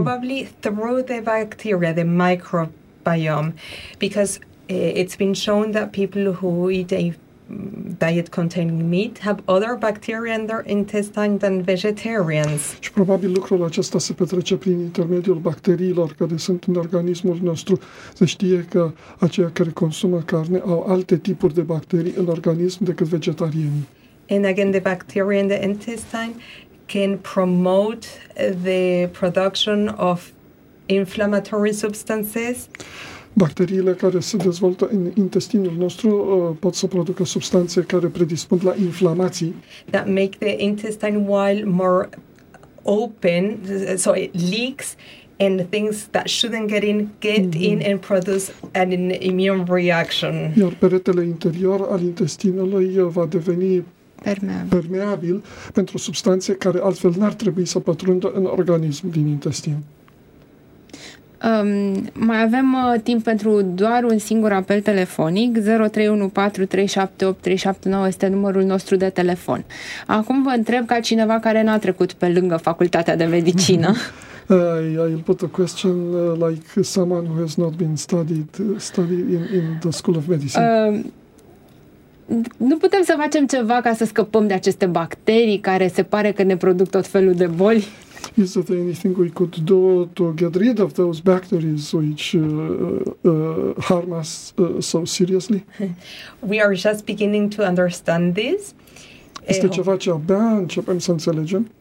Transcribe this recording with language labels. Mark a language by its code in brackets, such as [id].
[en] Probably through the bacteria, the microbiome, because it's been shown that people who eat a diet containing meat have other bacteria in their intestine than vegetarians. [ro] Și probabil lucrul acesta se petrece prin intermediul bacteriilor care sunt în organismul nostru. Se știe că aceia care consumă carne au alte tipuri de bacterii în organism decât vegetarienii. [en] And again, the bacteria in the intestine can promote the production of inflammatory substances. [ro] Bacteriile care se dezvoltă în intestinul nostru pot să producă substanțe care predispun la inflamații. [en] That make the intestine wall more open, so it leaks, and things that shouldn't get in, get in and produce an immune reaction. [ro] Iar peretele interior al intestinului va deveni permeabil pentru substanțe care altfel n-ar trebui să pătrundă în organism din intestin. Mai avem timp pentru doar un singur apel telefonic. 031-4378-379 este numărul nostru de telefon. Acum vă întreb ca cineva care n-a trecut pe lângă facultatea de medicină. [en] I'll put a question like someone who has not been studied in the School of Medicine. [ro] Nu putem să facem ceva ca să scăpăm de aceste bacterii care se pare că ne produc tot felul de boli? [en] Is there anything we could do to get rid of those bacteria which harm us so seriously? We are just beginning to understand this. [ro] Este ceva ce abia începem să înțelegem.